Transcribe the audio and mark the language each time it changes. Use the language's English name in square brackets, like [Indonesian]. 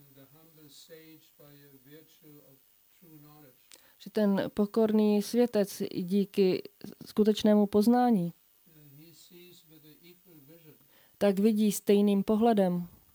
[English] The humble sage by virtue of true knowledge. [Czech] Že ten pokorný světec díky skutečnému poznání. [English] He sees with an equal vision. [Czech] Tak vidí stejným pohledem.